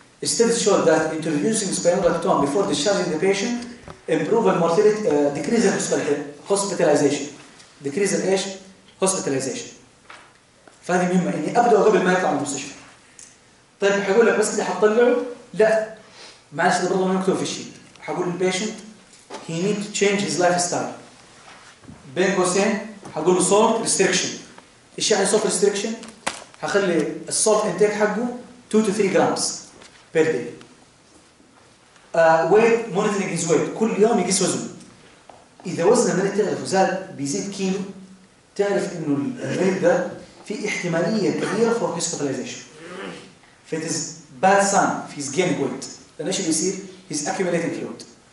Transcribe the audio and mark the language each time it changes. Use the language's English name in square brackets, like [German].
[English] Studies show that introducing spironolactone before discharging the patient improve the mortality decrease hospitalization decrease ايش؟ hospitalization. [Arabic] فهذه مهمه اني ابدا قبل ما يطلع من المستشفى. طيب حقول لك بس اللي حطلعه؟ لا معلش برضه ما مكتوب في الشيء. حقول للبيشنت [English] he need to change his lifestyle. [Arabic] بين قوسين حقول له salt restriction. ايش يعني salt restriction؟ هخلي السولت انتيك حقه [English] 2 to 3 grams per day. Weight monitoring his weight، [Arabic] كل يوم يقيس وزنه. اذا وزنه ما تعرف وزاد بيزيد كيلو تعرف انه الريت ده في احتماليه كبيره [English] for hospitalization. If it is bad sign if he's gaining weight، [Arabic] لان ايش اللي يصير؟ [English] he's accumulating fluid.